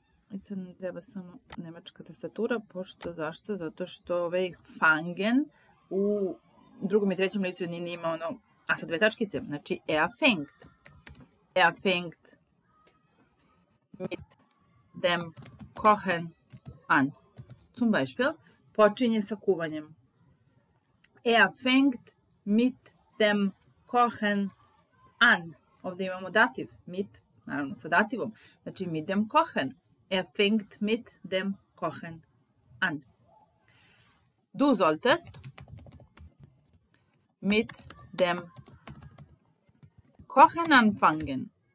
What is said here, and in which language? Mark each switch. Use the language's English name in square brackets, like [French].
[Serbian] I sad nam treba samo nemačka tastatura. Pošto, zašto? Zato što ovaj fangen u drugom i trećem licu nije ima ono, a sa dve tačkice. Znači, [German] er fängt. Er fängt mit dem kochen an. Zum Beispiel, [Serbian] počinje sa kuvanjem. [German] Er fängt mit dem kochen an. [Serbian] Ovdje imamo dativ. [German] Mit, [Serbian] naravno sa dativom. Znači, [German] mit dem kochen. Er fängt mit dem kochen an. Du solltest mit dem Kochen anfangen.